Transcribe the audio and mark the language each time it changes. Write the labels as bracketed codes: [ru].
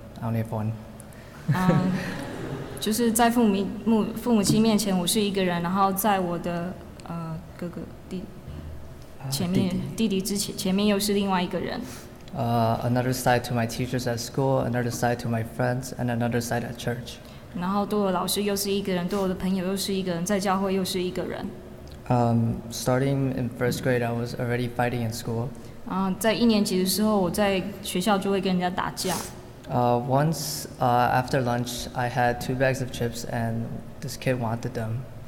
[en] I only have one. [zh] 就是在父母亲面前，我是一个人。然后在我的哥哥弟前面弟弟之前面又是另外一个人。 [en] Another side to my teachers at school, another side to my friends, and another side at church. [zh] 然后对我老师又是一个人，对我的朋友又是一个人，在教会又是一个人。 [en] Starting in first grade, I was already fighting in school. [zh] 在一年级的时候，我在学校就会跟人家打架。 [en] Once after lunch, I had two bags of chips, and this kid wanted them.